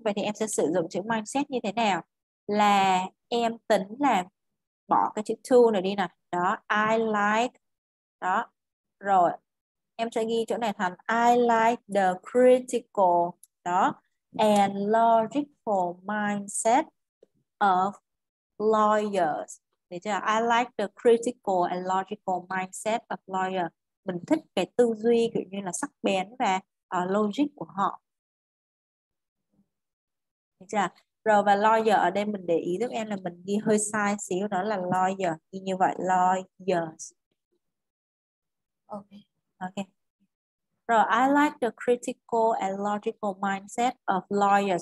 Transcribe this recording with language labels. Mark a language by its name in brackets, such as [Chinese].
[Vietnamese] Vậy thì em sẽ sử dụng chữ mindset như thế nào? Là em tính là bỏ cái chữ to này đi nè. [English] Đó, I like. Đó, [Vietnamese] rồi em sẽ ghi chỗ này thành [English] I like the critical, đó, and logical mindset of lawyers. [Vietnamese] Được chưa? [English] I like the critical and logical mindset of lawyers. [Vietnamese] Mình thích cái tư duy kiểu như là sắc bén và logic của họ. Được chưa? Rồi và lawyer ở đây mình để ý giúp em là mình ghi hơi sai xíu, đó là lawyer, ghi như vậy, lawyers. Ok. Ok. [English] Rồi, I like the critical and logical mindset of lawyers.